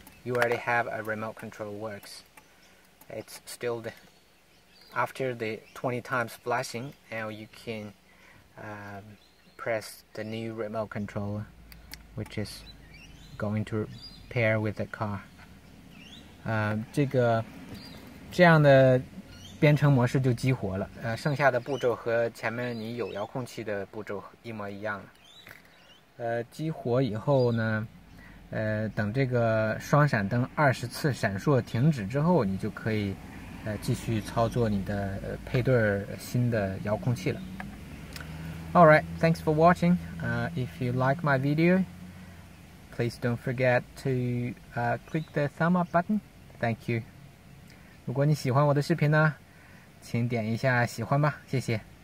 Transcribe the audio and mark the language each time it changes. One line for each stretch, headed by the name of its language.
English: You already have a remote control works. It's still the, after the 20 times flashing, now you can press the new remote controller, which is going to pair with the car.
Chinese: 这个这样的编程模式就激活了。剩下的步骤和前面你有遥控器的步骤一模一样了。激活以后呢，等这个双闪灯20次闪烁停止之后，你就可以继续操作你的配对新的遥控器了。
English: All right, thanks for watching. If you like my video, please don't forget to click the thumb up button. Thank you.
Chinese: 如果你喜欢我的视频呢，请点一下喜欢吧，谢谢。